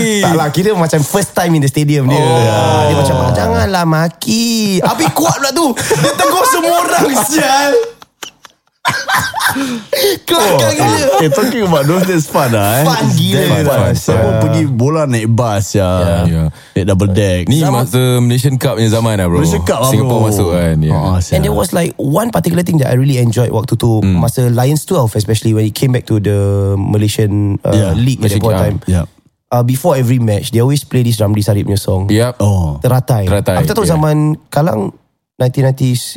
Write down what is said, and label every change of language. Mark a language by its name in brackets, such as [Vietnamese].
[Malay] Taklah, kira macam [English] first time in the stadium [Malay] dia. Dia macam, janganlah maki. Abi kuat pula tu. Dia tengok semua orang sial. Kelakar gila. [English] Talking about those days fun lah. [Malay] Fun gila. Semua pergi bola naik bas ya. Naik double deck. Ni masa Malaysian Cup punya zaman lah, bro. Malaysian Cup lah, Singapore masuk kan. [English] And there was like one particular thing that I really enjoyed [Malay] waktu tu. Masa [English] Lions 12, especially when it came back to the Malaysian league at that point time. Before every match, they always play this Ramli Sarip [Malay] punya [English] song. [Malay] Teratai. Aku tak tahu zaman kalang 1990s.